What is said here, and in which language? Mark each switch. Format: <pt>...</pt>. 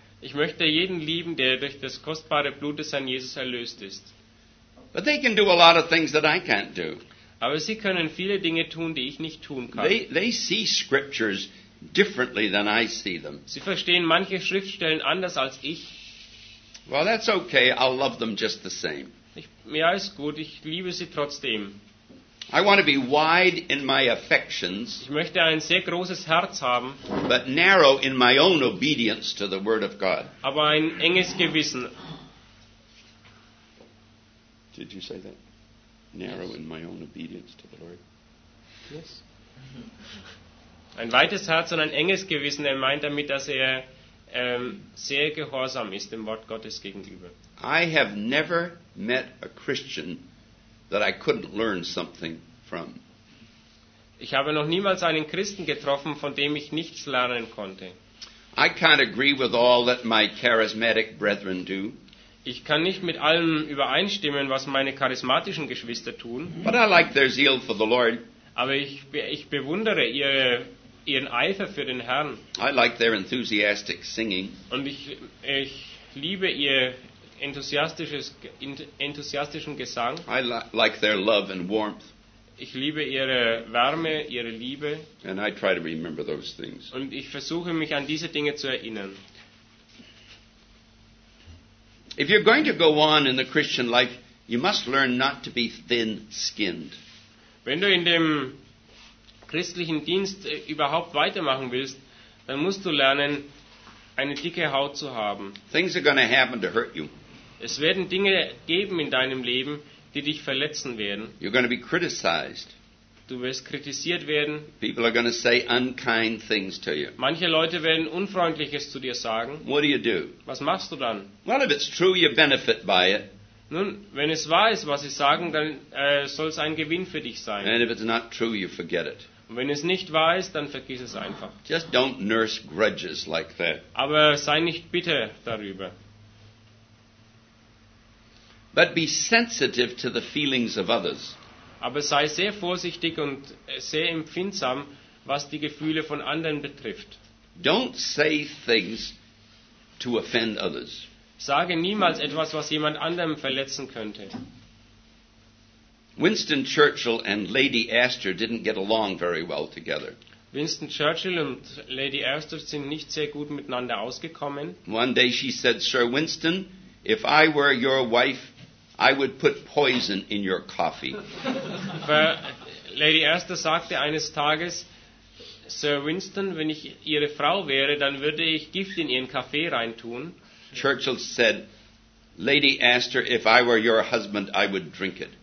<de>Ich möchte jeden lieben, der durch das kostbare Blut des Herrn Jesus erlöst ist.</de> <en>But they can do a lot of things that I can't do.</en> <de>Aber sie können viele Dinge tun, die ich nicht tun kann.</de> <en>They see scriptures differently than I see them.</en> <de>Sie verstehen manche Schriftstellen anders als ich.</de> <en>Well, that's okay. I'll love them just the same.</en> <de>Ja, ist gut. Ich liebe sie trotzdem.</de> <en>I want to be wide in my affections.</en> <de>Ich möchte ein sehr großes Herz haben.</de> <en>But narrow in my own obedience to the word of God.</en> <de>Aber ein enges Gewissen.</de> <en>Did you say that? Narrow in my own obedience to the Lord.</en> <de>Yes. Ein weites Herz und ein enges Gewissen. Er meint damit, dass er sehr gehorsam ist dem Wort Gottes gegenüber.</de> <en>I have never met a Christian that I couldn't learn something from.</en> <de>Ich habe noch niemals einen Christen getroffen, von dem ich nichts lernen konnte.</de> <en>I can't agree with all that my charismatic brethren do.</en> <de>Ich kann nicht mit allem übereinstimmen, was meine charismatischen Geschwister tun.</de> <en>But I like their zeal for the Lord.</en> <de>Aber ich bewundere ihren Eifer für den Herrn.</de> <en>I like their enthusiastic singing.</en> <de>Und ich liebe ihr enthusiastischen Gesang.</de> <en>I like their love and warmth.</en> <de>Ich liebe ihre Wärme, ihre Liebe.</de> <en>And I try to remember those things.</en> <de>Und ich versuche mich an diese Dinge zu erinnern.</de> <en>If you're going to go on in the Christian life, you must learn not to be thin-skinned.</en> <de>Wenn du in dem christlichen Dienst überhaupt weitermachen willst, dann musst du lernen, eine dicke Haut zu haben.</de> <en>Things are going to happen to hurt you.</en> <de>Es werden Dinge geben in deinem Leben, die dich verletzen werden.</de> <en>You're going to be criticized.</en> <de>Du wirst kritisiert werden.</de> <en>People are going to say unkind things to you.</en> <de>Manche Leute werden Unfreundliches zu dir sagen.</de> <en>What do you do?</en> <de>Was machst du dann?</de> <en>Well, if it's true, you benefit by it.</en> <de>Nun, wenn es wahr ist, was sie sagen, dann soll es ein Gewinn für dich sein.</de> <en>And if it's not true, you forget it.</en> <de>Wenn es nicht wahr ist, dann vergiss es einfach.</de> <en>Just don't nurse grudges like that.</en> <de>Aber sei nicht bitter darüber.</de> <en>But be sensitive to the feelings of others.</en> <de>Aber sei sehr vorsichtig und sehr empfindsam, was die Gefühle von anderen betrifft.</de> <en>Don't say things to offend others.</en> <de>Sage niemals etwas, was jemand anderem verletzen könnte.</de> <en>Winston Churchill and Lady Astor didn't get along very well together.</en> <de>Winston Churchill und Lady Astor sind nicht sehr gut miteinander ausgekommen.</de> <en>One day she said, "Sir Winston, if I were your wife, I would put poison in your coffee."</en> <de>Lady Astor sagte eines Tages, "Sir Winston, wenn ich Ihre Frau wäre, dann würde ich Gift in Ihren Kaffee reintun."</de> <en>Churchill said, "Lady Astor, if I were your husband, I would drink it."</en>